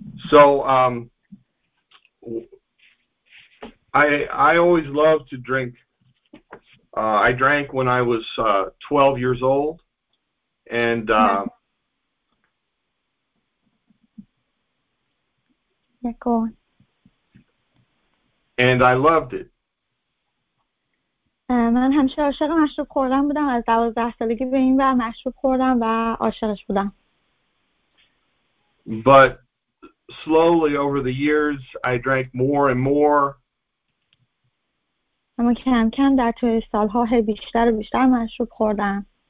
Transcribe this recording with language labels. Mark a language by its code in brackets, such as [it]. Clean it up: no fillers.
[en] So I always loved to drink. I drank when I was 12 years old and and I loved it. [fa] من همیشه عاشق مشروب خوردن بودم، از 12 سالگی به این ور مشروب خوردم و عاشقش بودم. [en] But slowly over the years I drank more and more. [fa] اما کم کم در طول سالها بیشتر و بیشتر مشروب خوردم.